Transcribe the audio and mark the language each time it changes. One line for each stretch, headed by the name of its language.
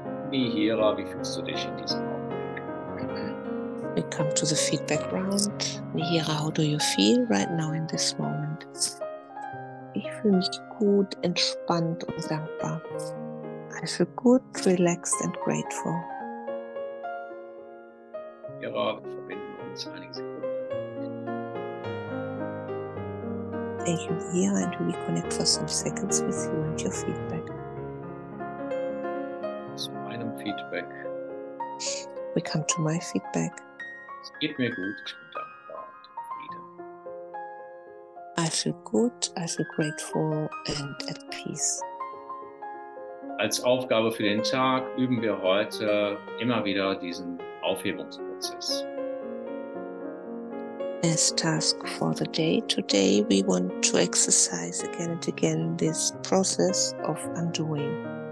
German: Wie hier, wie fühlst du dich in diesem Augenblick?
English: We come to the feedback round. Hier, how do you feel right now in this moment?
German: Ich fühle mich gut, entspannt und dankbar.
English: I feel good, relaxed and grateful.
German: Hier, wir verbinden uns einige Sekunden.
English: Thank you, hier, and we connect for some seconds with you and your feedback. Feedback. We come to my feedback.
German: Es geht mir gut, ich bin dankbar und zufrieden.
English: I feel good, I feel grateful and at peace.
German: Als Aufgabe für den Tag üben wir heute immer wieder diesen Aufhebungsprozess.
English: As task for the day today, we want to exercise again and again this process of undoing.